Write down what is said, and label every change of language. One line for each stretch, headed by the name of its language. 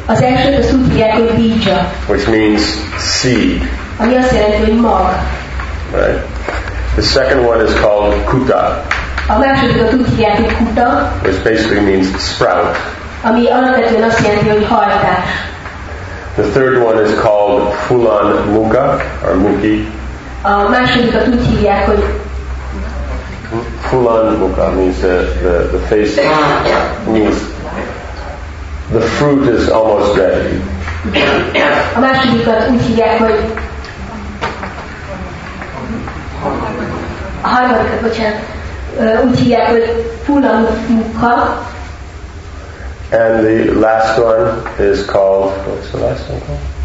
Hungarian: Az elsőt azt úgy hívják, hogy bija.
English: Which means seed.
Hungarian: Ami azt jelenti, hogy mag.
English: Right. The second one is called kuta.
Hungarian: A másodikat úgy hívják, hogy kuta.
English: Which basically means sprout.
Hungarian: Ami alapvetően azt jelenti, hogy hajtás.
English: The third one is called phulan muga, or muki.
Hungarian: A másodikat úgy hívják, hogy
English: phulan muga means the face. Means the fruit is almost ready.
Hungarian: A másodikat úgy hívják, hogy a harmadikat, bocsánat, úgy hívják, hogy phulan muga.
English: And the last one is called, what's the last one called?